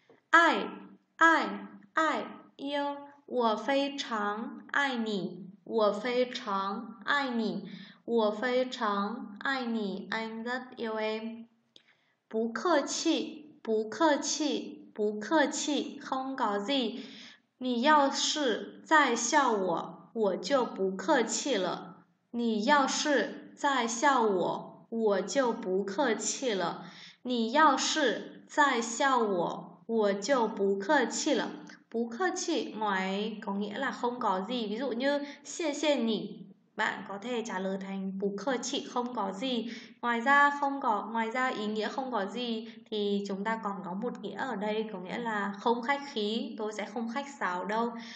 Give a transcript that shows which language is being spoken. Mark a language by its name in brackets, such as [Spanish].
[Chinese] Ai, ai, ai, yêu, 我非常爱你, 我非常爱你, 我非常爱你, [Vietnamese] anh rất yêu em. [Chinese] 不客气，不客气。不客气， [Vietnamese] không có gì。 [Chinese] 你要是再笑我，我就不客气了。你要是再笑我，我就不客气了。你要是再笑我，我就不客气了。 [Vietnamese] 不客气，ngoài có nghĩa là không có gì. Ví dụ như [Chinese] 谢谢你， [Vietnamese] bạn có thể trả lời thành 不客气，không có gì. Ngoài ra không có ngoài ra ý nghĩa không có gì thì chúng ta còn có một nghĩa ở đây có nghĩa là không khách khí, tôi sẽ không khách sáo đâu.